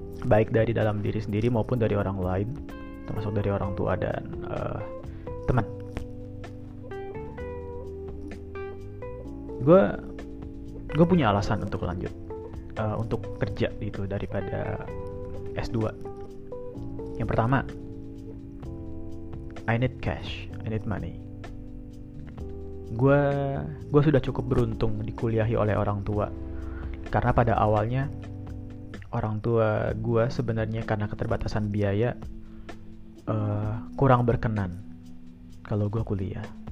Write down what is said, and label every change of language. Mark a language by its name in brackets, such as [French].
[Indonesian] Baik dari dalam diri sendiri maupun dari orang lain, termasuk dari orang tua dan teman. Gue punya alasan untuk lanjut. Untuk kerja gitu daripada S2. Yang pertama, [English] I need cash, I need money. [Indonesian] Gue sudah cukup beruntung dikuliahi oleh orang tua, karena pada awalnya orang tua gue sebenarnya karena keterbatasan biaya kurang berkenan kalau gue kuliah.